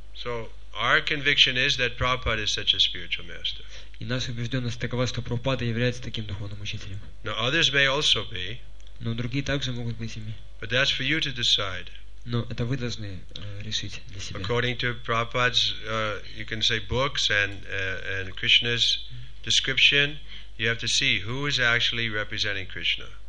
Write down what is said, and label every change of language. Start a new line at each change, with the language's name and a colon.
English: So our conviction is that Prabhupada is such a spiritual master.
Russian: И наша убежденность такова, что Прабхупада является таким духовным учителем.
English: Now others may also be.
Russian: Но другие также могут быть ими.
English: But that's for you to decide.
Russian: Но это вы должны решить для себя.
English: According to Prabhupada's, you can say books and Krishna's description, you have to see who is actually representing Krishna.